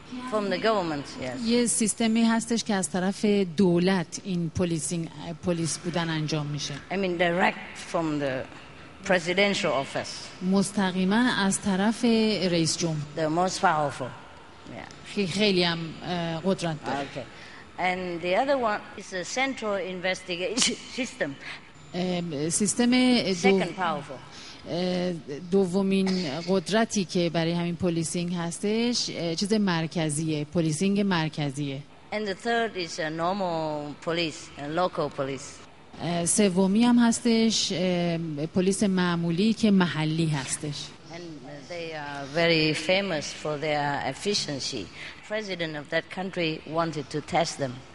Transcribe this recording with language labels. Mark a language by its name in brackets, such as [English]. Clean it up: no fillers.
[English] From the government, yes. [Persian] یه سیستمی هستش که از طرف دولت این پلیسینگ پلیس بودن انجام میشه. [English] I mean direct from the presidential office. [Persian] مستقیما از طرف رئیس جمهور. [English] The most powerful. Yeah. [Persian] خیلی هم قدرت داره. [English] Okay. And the other one is a central investigation system. [Persian] سیستم [English] second powerful. [Persian] دومین قدرتی که برای همین پولیسینگ هستش چیز مرکزیه، پولیسینگ مرکزیه. [English] And the third is a normal police, a local police. [Persian] سومی هم هستش پلیس معمولی که محلی هستش. [English] And they are very famous for their efficiency. President of that country wanted to test them.